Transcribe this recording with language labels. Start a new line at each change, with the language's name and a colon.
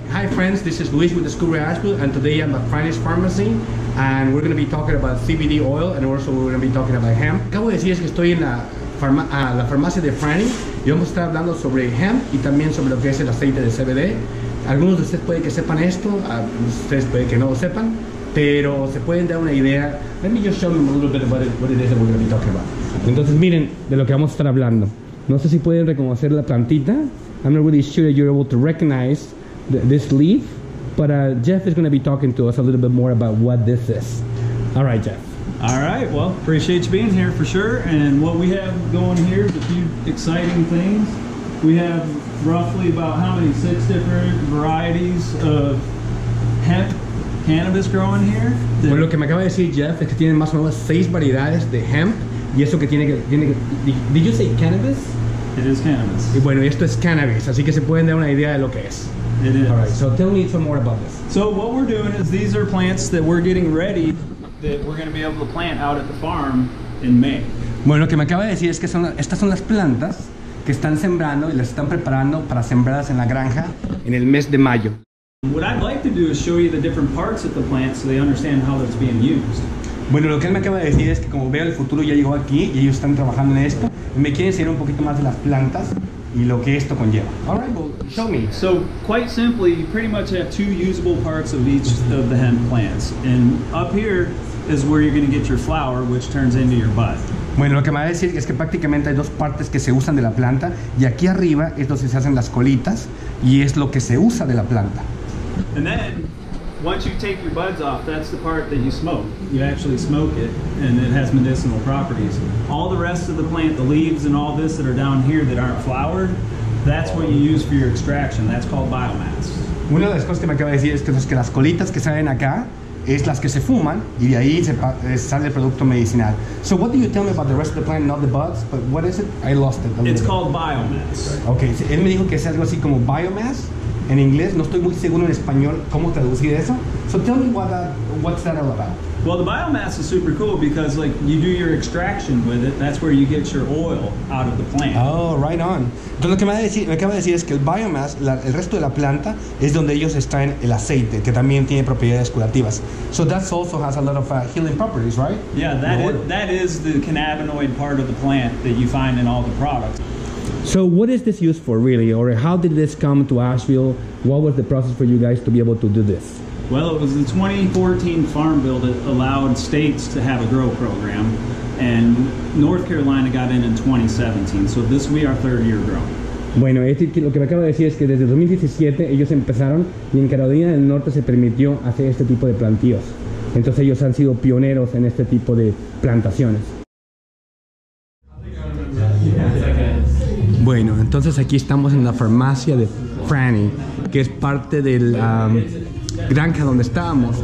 English: friends, this is Luis with the School Reaction School, and today I'm at Finest Pharmacy, and we're going to be talking about CBD oil, and also we're going to be talking about hemp.
Spanish: Acabo de decir es que estoy en la farmacia de Franny, y vamos a estar hablando sobre hemp y también sobre lo que es el aceite de CBD. Algunos de ustedes puede que sepan esto, ustedes puede que no lo sepan, pero se pueden dar una idea.
English: Let me just show them a little bit about what it is that we're going to be talking about.
Spanish: Entonces miren de lo que vamos a estar hablando. No sé si pueden reconocer la plantita.
English: I'm not really sure that you're able to recognize this leaf, but Jeff is going to be talking to us a little bit more about what this is. All right, Jeff. All right, well, appreciate you being here for sure. And what we have going here is a few exciting things. We have roughly about how many? 6 different varieties of hemp cannabis growing here.
Spanish: Bueno, lo que me acaba de decir Jeff es que tienen más o menos 6 variedades de hemp. Y eso que tiene que,
English: did you say cannabis? It is cannabis.
Spanish: Y bueno, esto es cannabis, así que se pueden dar una idea de lo que es.
English: It is. All right, so tell me some more about this. So what we're doing is these are plants that we're getting ready that we're going to be able to plant out at the farm in May.
Spanish: Bueno, lo que me acaba de decir es que estas son las plantas que están sembrando y las están preparando para sembrarlas en la granja en el mes de mayo.
English: What I'd like to do is show you the different parts of the plant so they understand how that's being used.
Spanish: Bueno, lo que él me acaba de decir es que como veo el futuro ya llegó aquí y ellos están trabajando en esto, me quieren enseñar un poquito más de las plantas y lo que esto conlleva.
English: All right, well, show me. So, quite simply, you pretty much have 2 usable parts of each of the hemp plants. And up here is where you're going to get your flower, which turns into your bud.
Spanish: Bueno, lo que me va a decir es que prácticamente hay 2 partes que se usan de la planta y aquí arriba es donde se hacen las colitas y es lo que se usa de la planta.
English: And then, once you take your buds off, that's the part that you smoke. You actually smoke it, and it has medicinal properties. All the rest of the plant, the leaves and all this that are down here that aren't flowered, that's what you use for your extraction. That's called biomass.
Spanish: Una de las cosas que me acaba de decir es que las colitas que salen acá es las que se fuman, y de ahí sale el producto medicinal.
English: So what do you tell me about the rest of the plant, not the buds, but what is it? I lost it. It's called biomass.
Spanish: Okay, él me dijo que es algo así como biomass. En inglés, no estoy muy seguro en español cómo traducir eso.
English: So tell me what's that all about. Well, the biomass is super cool because like you do your extraction with it. That's where you get your oil out of the plant. Oh, right on.
Spanish: Entonces lo que me acaba de decir es que el biomass, el resto de la planta, es donde ellos extraen el aceite, que también tiene propiedades curativas.
English: So that also has a lot of healing properties, right? Yeah, that is the cannabinoid part of the plant that you find in all the products. So what is this used for really, or how did this come to Asheville? What was the process for you guys to be able to do this? Well, it was the 2014 Farm Bill that allowed states to have a grow program, and North Carolina got in 2017, so this will be our 3rd year growing.
Spanish: Bueno, lo que me acaba de decir es que desde 2017 ellos empezaron, y en Carolina del Norte se permitió hacer este tipo de plantíos. Entonces ellos han sido pioneros en este tipo de plantaciones. Bueno, entonces aquí estamos en la farmacia de Franny, que es parte de la granja donde estábamos.